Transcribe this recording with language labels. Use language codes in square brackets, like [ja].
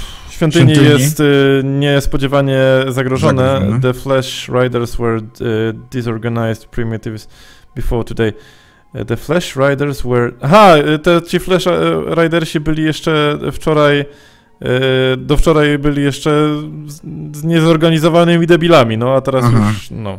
[pl] Świątyni jest niespodziewanie zagrożone. [en] The Flesh Riders were disorganized primitives before today. The Flesh Riders were... Aha! [pl] Ci Flesh Ridersi byli jeszcze wczoraj... Do wczoraj byli jeszcze z niezorganizowanymi debilami, no a teraz już.